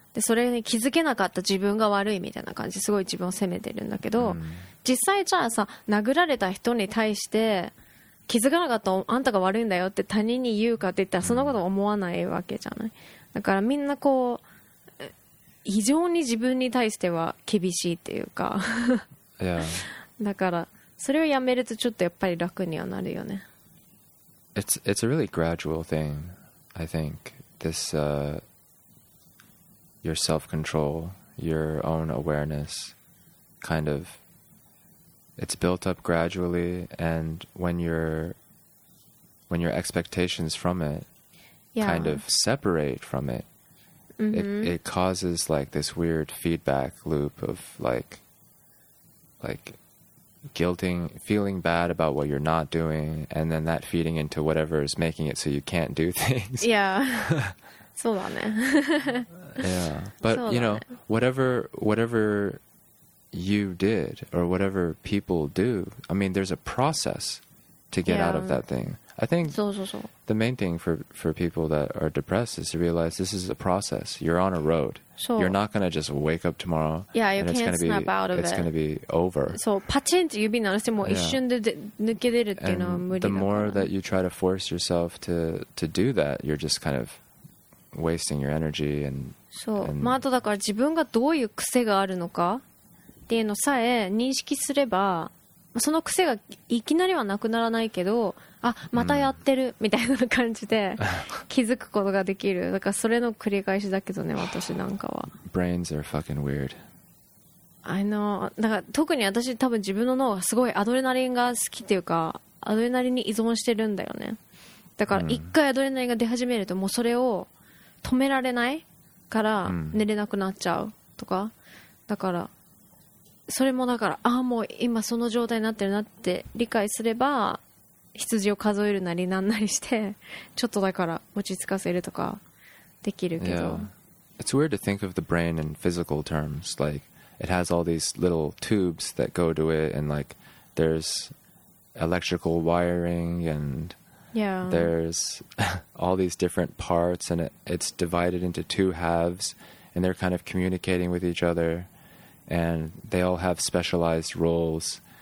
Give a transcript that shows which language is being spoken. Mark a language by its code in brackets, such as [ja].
[ja] でそれに気づけなかった自分が悪いみたいな感じ、すごい自分を責めてるんだけど、実際じゃあさ、殴られた人に対して気づかなかったあんたが悪いんだよって他人に言うかって言ったら、そんなこと思わないわけじゃない。だからみんなこう非常に自分に対しては厳しいっていうか。 [en] Yeah. [ja] だからそれをやめるとちょっとやっぱり楽にはなるよね。 [en] It's a really gradual thing, I think. This your self-control, your own awareness, kind of, it's built up gradually, and when your expectations from it kind of separate from it, it causes like this weird feedback loop of like guilting, feeling bad about what you're not doing, and then that feeding into whatever is making it so you can't do things. Yeah. [ja] そうだね。 [en] Yeah. But, ね、you know, whatever you did or whatever people do, I mean, there's a process to get、yeah. out of that thing. I think [ja] そうそうそう [en] the main thing for people that are depressed is to realize this is a process. You're on a road. [ja] そう。 [en] You're not going to just wake up tomorrow yeah, you and can't snap out of it. It's going to be over. [ja] そう、パチンって指鳴らしてもう一瞬で、yeah. 抜け出るっていうのは無理だから。 [en] And the more that you try to force yourself to do that, you're just kind of... wasting your energy and [ja] そう、まあ、あとだから自分がどういう癖があるのかっていうのさえ認識すれば、その癖がいきなりはなくならないけど、あ、またやってるみたいな感じで気づくことができる。だからそれの繰り返しだけどね、私なんかは。 [en] Brains are fucking weird. I know. [ja] だから特に私多分自分の脳がすごいアドレナリンが好きっていうか、アドレナリンに依存してるんだよね。だから一回アドレナリンが出始めるともうそれを止められないから寝れなくなっちゃうとか、だからそれもだからああもう今その状態になってるなって理解すれば、羊を数えるなりなんなりしてちょっとだから落ち着かせるとかできるけど、 [en] yeah. It's weird to think of the brain in physical terms, like it has all these little tubes that go to it, and like there's electrical wiring and Yeah. There's all these different parts, and it's divided into two halves, and they're kind of communicating with each other, and they all have specialized roles.